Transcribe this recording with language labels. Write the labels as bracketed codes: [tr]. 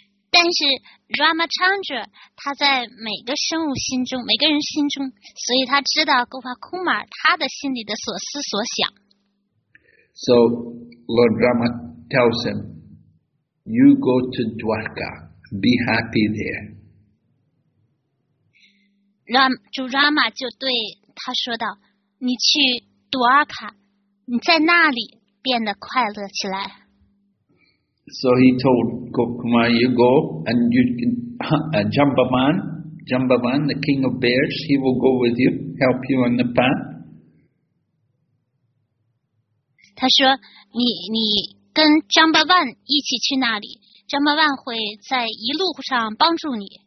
[zh] 但是 Ramachandra 他在每个生物心中，每个人心中，所以他知道 Gopal Kumar 他的心里的所思所想。 [en] So Lord Rama tells him, "You go to Dwarka, be happy there." [zh] Rama 就对他说道，你去多尔卡，你在那里变得快乐起来。 [en] So he told Gop Kumar, "You go and Jambavan, the king of bears, he will go with you, help you on the path." [zh] 他说，你跟 Jambavan 一起去那里， Jambavan 会在一路上帮助你。